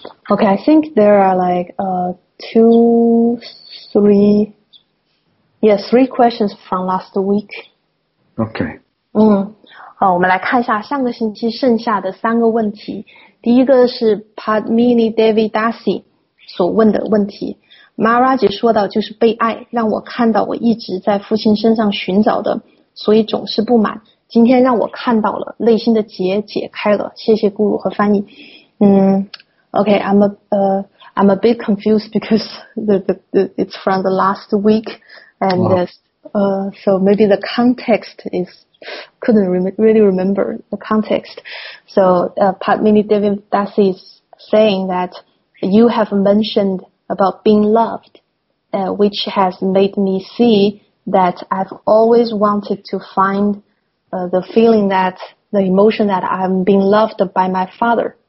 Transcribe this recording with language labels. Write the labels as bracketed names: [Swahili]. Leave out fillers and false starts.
[English] Okay, I think there are like three questions from last week. Okay. [Chinese] 好，我们来看一下上个星期剩下的三个问题。第一个是 Padmini Devi Dasi 所问的问题。 Maharaj 说到就是被爱，让我看到我一直在父亲身上寻找的，所以总是不满。今天让我看到了，内心的结解开了。谢谢Guru和翻译。 [English] Okay, I'm a bit confused because the it's from the last week, and so maybe the context is couldn't really remember the context. So Padmini Devi Dasi is saying that you have mentioned about being loved, which has made me see that I've always wanted to find the feeling that the emotion that I'm being loved by my father.